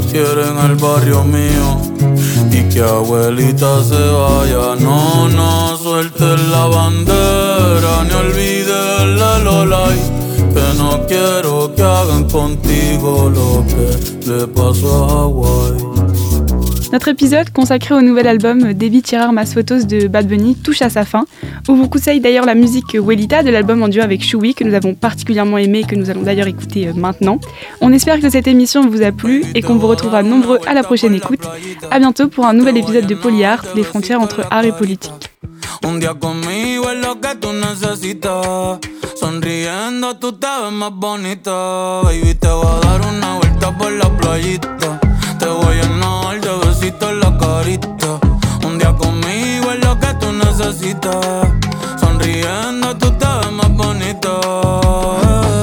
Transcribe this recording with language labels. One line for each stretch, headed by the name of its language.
Spanish: Quieren el barrio mío y que abuelita se vaya. No, no suelten la bandera ni olviden la lolay. Que no quiero que hagan contigo lo que le pasó a Hawaii.
French: Notre épisode consacré au nouvel album « Debí tirar más fotos » de Bad Bunny touche à sa fin. On vous conseille d'ailleurs la musique « Huelita » de l'album en duo avec Shoei que nous avons particulièrement aimé et que nous allons d'ailleurs écouter maintenant. On espère que cette émission vous a plu et qu'on vous retrouvera nombreux à la prochaine écoute. A bientôt pour un nouvel épisode de Polyart, les frontières entre art et politique.
Spanish: Un día conmigo es lo que tú necesitas. Sonriendo tú te ves más bonita. Baby, te voy a dar una vuelta por la playita. Te voy a llenar de besitos en la carita. Un día conmigo es lo que tú necesitas. Sonriendo tú te ves más bonita.